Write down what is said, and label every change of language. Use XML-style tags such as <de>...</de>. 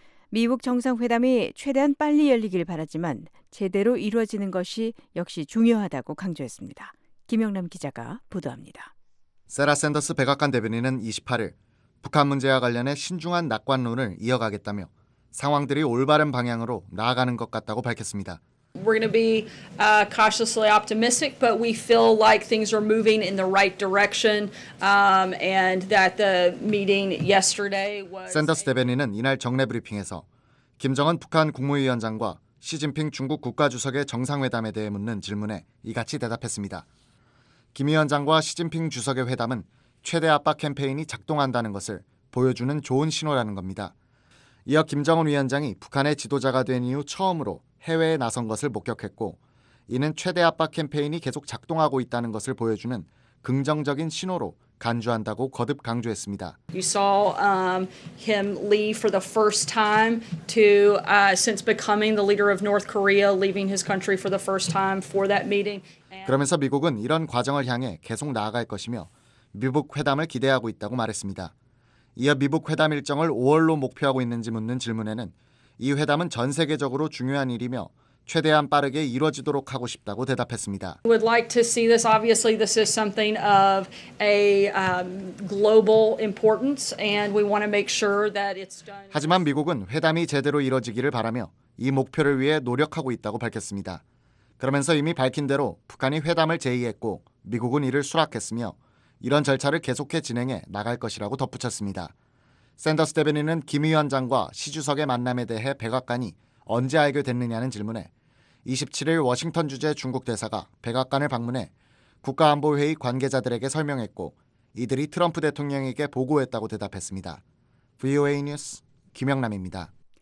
<ko>미북 정상회담이 최대한 빨리 열리길 바라지만 제대로 이루어지는 것이 역시 중요하다고 강조했습니다. 김영남 기자가 보도합니다. 세라 샌더스 백악관 대변인은 28일 북한 문제와 관련해 신중한 낙관론을 이어가겠다며 상황들이 올바른 방향으로 나아가는 것 같다고 밝혔습니다.</ko> <en>We're going to be cautiously optimistic, but we feel like things are moving in the right direction and that the meeting yesterday was</en> <ko>샌더스 대변인은 이날 정례 브리핑에서 김정은 북한 국무위원장과 시진핑 중국 국가주석의 정상회담에 대해 묻는 질문에 이같이 대답했습니다. 김 위원장과 시진핑 주석의 회담은 최대 압박 캠페인이 작동한다는 것을 보여주는 좋은 신호라는 겁니다. 이어 김정은 위원장이 북한의 지도자가 된 이후 처음으로 해외에 나선 것을 목격했고 이는 최대 압박 캠페인이 계속 작동하고 있다는 것을 보여주는 긍정적인 신호로 간주한다고 거듭 강조했습니다.</ko> <en>You saw him leave for the first time to since becoming the leader of North Korea, leaving his country for the first time for that meeting.</en> <ko>그러면서 미국은 이런 과정을 향해 계속 나아갈 것이며 미북 회담을 기대하고 있다고 말했습니다. 이어 미북 회담 일정을 5월로 목표하고 있는지 묻는 질문에는 이 회담은 전 세계적으로 중요한 일이며 최대한 빠르게 이루어지도록 하고 싶다고 대답했습니다.</ko> <en>Would like to see this. Obviously, this is something of a global importance, and we want to make sure that it's done.</en> <ko>하지만 미국은 회담이 제대로 이루어지기를 바라며 이 목표를 위해 노력하고 있다고 밝혔습니다. 그러면서 이미 밝힌 대로 북한이 회담을 제의했고 미국은 이를 수락했으며 이런 절차를 계속해 진행해 나갈 것이라고 덧붙였습니다. 샌더스 대변인은 김 위원장과 시 주석의 만남에 대해 백악관이 언제 알게 됐느냐는 질문에 27일 워싱턴 주재 중국 대사가 백악관을 방문해 국가안보회의 관계자들에게 설명했고 이들이 트럼프 대통령에게 보고했다고 대답했습니다. VOA 뉴스 김영남입니다.</ko>